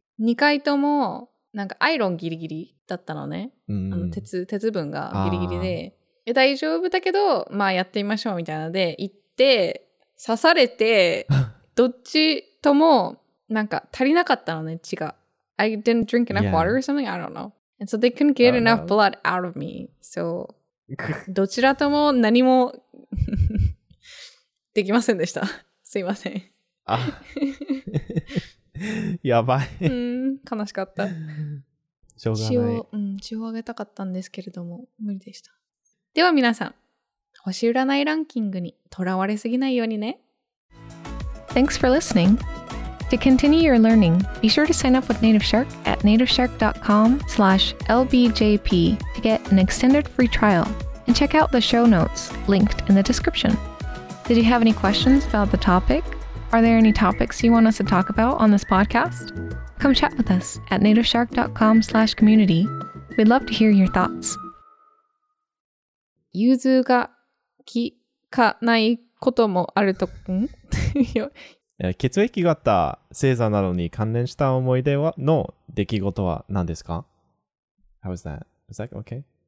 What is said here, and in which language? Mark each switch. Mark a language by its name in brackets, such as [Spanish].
[Japanese] 2回ともなんかアイロンギリギリだったのね、うん、あの鉄分がギリギリで、え、大丈夫だけど、まあやってみましょうみたいなので行って刺されて、どっちともなんか足りなかったのね、血が。 [English] I didn't drink enough water or something? I don't know. And so they couldn't get enough blood out of me. [Japanese] So, どちらとも何もできませんでした。すいません。あ、やばい。悲しかった。しょうがない。血をあげたかったんですけれども、無理でした。では皆さん、星占いランキングにとらわれすぎないようにね。 [English] Thanks for listening. To continue your learning, be sure to sign up with Native Shark at nativeshark.com/lbjp to get an extended free trial and check out the show notes linked in the description. Did you have any questions about the topic? Are there any topics you want us to talk about on this podcast? Come chat with us at nativeshark.com/community. We'd love to hear your thoughts. ゆずが聞かないこともあるとん [Japanese] 血液型、星座などに関連した思い出はの出来事は何ですか？ [English] How was that? Was that okay?